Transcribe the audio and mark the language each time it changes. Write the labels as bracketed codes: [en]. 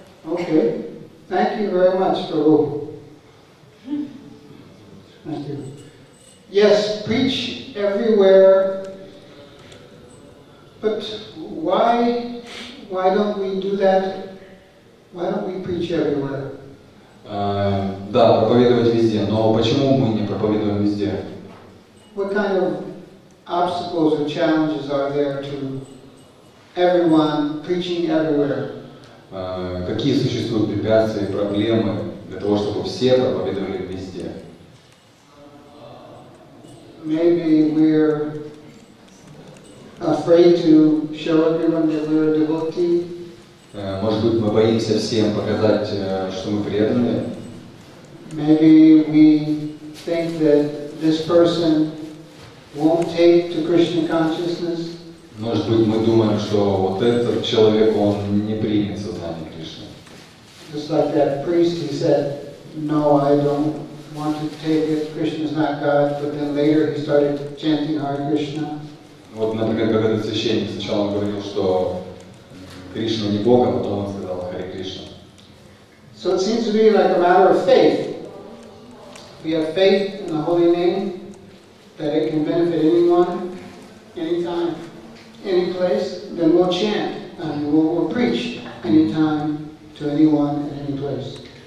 [en] Okay, thank you very much, Prabhu. Yes, preach everywhere, but why don't we do that? Why don't we preach everywhere? [ru] Да, проповедовать везде, но почему мы не проповедуем везде? [en] What kind of obstacles or challenges are there to everyone preaching everywhere? [ru] Какие существуют препятствия, проблемы для того, чтобы все проповедовали везде? [en] Maybe we're afraid to show everyone that we're a devotee. [ru] Может быть, мы боимся всем показать, что мы преданные. [en] Maybe we think that this person won't take to Krishna consciousness. [ru] Может быть, мы думаем, что вот этот человек, он не примет сознание Кришны. [en] Just like that priest, he said, no, I don't. Wanted to take it, Krishna's not God, but then later he started chanting Hare Krishna. [ru] Вот, например, как этот священник сначала говорил, что Кришна не Бог, а потом он сказал Hare Krishna. [en] So it seems to be like a matter of faith. We have faith in the holy name that it can benefit anyone, anytime, any place, then we'll chant and we'll preach anytime to anyone at any place.